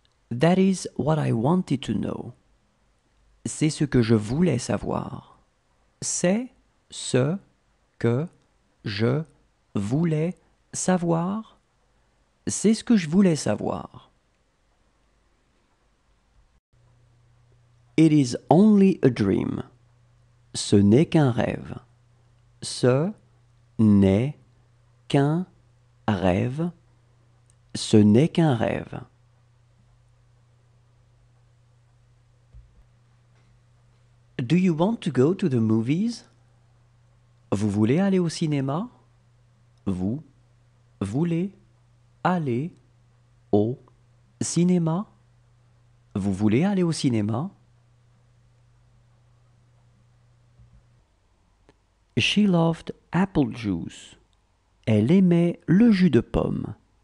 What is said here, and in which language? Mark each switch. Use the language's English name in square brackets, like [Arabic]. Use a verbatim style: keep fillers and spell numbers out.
[English] That is what I wanted to know. [French] C'est ce que je voulais savoir. C'est ce que je voulais savoir. C'est ce que je voulais savoir. [English] It is only a dream. [French] Ce n'est qu'un rêve. Ce n'est qu'un rêve. Ce n'est qu'un rêve. [English] Do you want to go to the movies? [French] Vous voulez aller au cinéma? Vous voulez aller au cinéma? Vous voulez aller au cinéma? [English] She loved apple juice. [French] Elle aimait le jus de pomme.